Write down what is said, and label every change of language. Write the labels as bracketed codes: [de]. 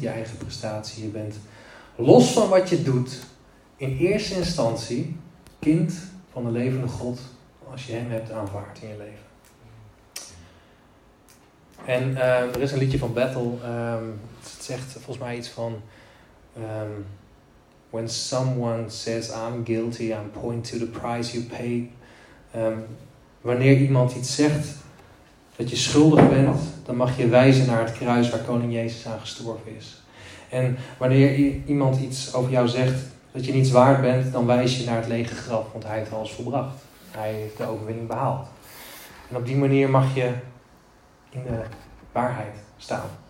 [nl] Je eigen prestatie. Je bent los van wat je doet. In eerste instantie kind van de levende God. Als je hem hebt aanvaard in je leven. En er is een liedje van Battle. Het zegt volgens mij iets van... [en] When someone says I'm guilty, I'm point to the price you pay. [nl] Wanneer iemand iets zegt dat je schuldig bent, dan mag je wijzen naar het kruis waar koning Jezus aan gestorven is. En wanneer iemand iets over jou zegt dat je niets waard bent, dan wijs je naar het lege graf, want hij heeft alles volbracht. Hij heeft de overwinning behaald. En op die manier mag je in de waarheid staan.